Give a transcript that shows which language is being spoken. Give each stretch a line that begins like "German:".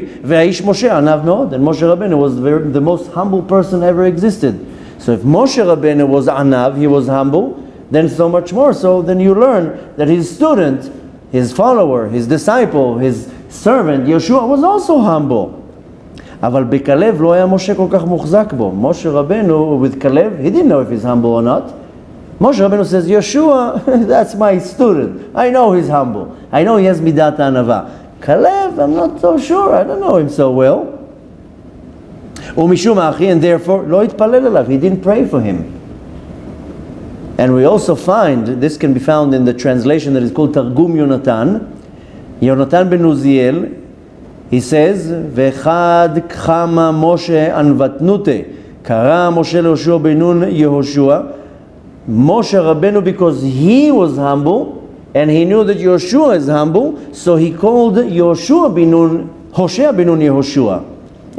English: Ve'ish Moshe, anav meod. And Moshe Rabbeinu was the most humble person ever existed. So if Moshe Rabbeinu was anav, he was humble, then so much more so, then you learn that his student, his follower, his disciple, his servant, Yeshua, was also humble.
Hebrew: אבל בקלב לא היה משה כל כך מוחזק בו.
English: Moshe Rabbeinu, with Kalev, he didn't know if he's humble or not. Moshe Rabbeinu says, Yeshua, that's my student. I know he's humble. I know he has midat ha'anava. Kalev, I'm not so sure. I don't know him so well.
Hebrew: ומשום אחי,
English: and therefore,
Hebrew: לא התפלל אליו.
English: He didn't pray for him. And we also find, this can be found in the translation that is called Targum Yonatan. Yonatan ben Uziel, he says,
Hebrew: ואחד כמה משה ענוותנותה, קרא משה ליהושע בן נון יהושע,
English: Moshe Rabbeinu, because he was humble and he knew that Yoshua is humble, so he called Yoshua bin Nun, Hoshea bin Nun Yehoshua.